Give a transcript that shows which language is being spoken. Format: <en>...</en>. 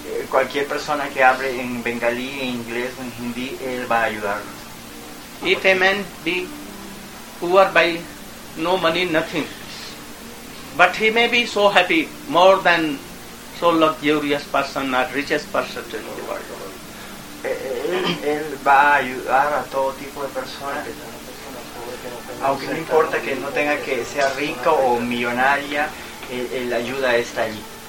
<es>Cualquier persona que hable en bengalí, en inglés o en hindi, él va a ayudarnos.</es> <en>If a man be poor by no money, nothing, but he may be so happy, more than so luxurious person or richest person in the world.</en> <es>Él va a ayudar a todo tipo de personas, aunque no importa que no tenga que sea rico o millonaria, la ayuda está allí.</es>